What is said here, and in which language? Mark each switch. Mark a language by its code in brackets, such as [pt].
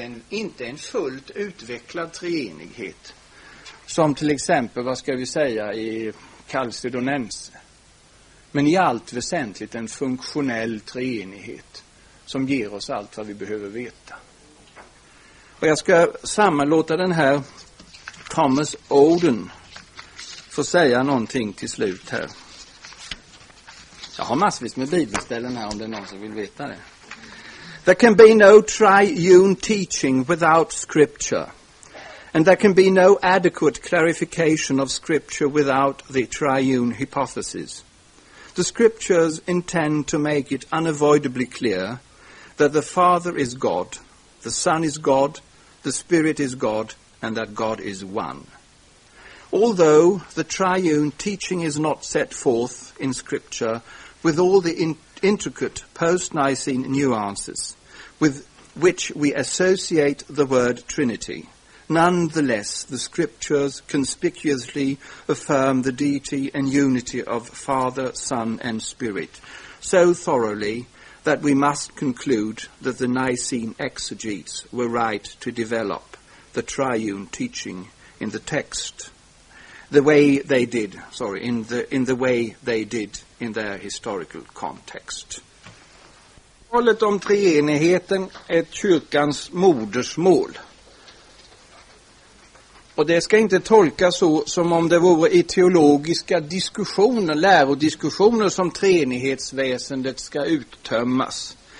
[sv] Inte en fullt utvecklad treenighet som till exempel, vad ska vi säga, i Kalcedonense, men i allt väsentligt en funktionell treenighet som ger oss allt vad vi behöver veta. Och jag ska sammanlåta den här Thomas Oden för att säga någonting till slut här. Jag har massvis med bibelställen här om det är någon som vill veta det. [en] There can be no triune teaching without scripture. And there can be no adequate clarification of scripture without the triune hypothesis. The scriptures intend to make it unavoidably clear that the Father is God, the Son is God, the Spirit is God, and that God is one. Although the triune teaching is not set forth in scripture with all the intricate post-Nicene nuances with which we associate the word Trinity, nonetheless, the scriptures conspicuously affirm the deity and unity of Father, Son, and Spirit so thoroughly that we must conclude that the Nicene exegetes were right to develop the triune teaching in the text the way they did in their historical context. [sv] Talet om treenigheten är kyrkans modersmål. Och det ska inte tolkas så som om det vore i teologiska diskussioner, lärodiskussioner som treenighetsväsendet ska uttömmas.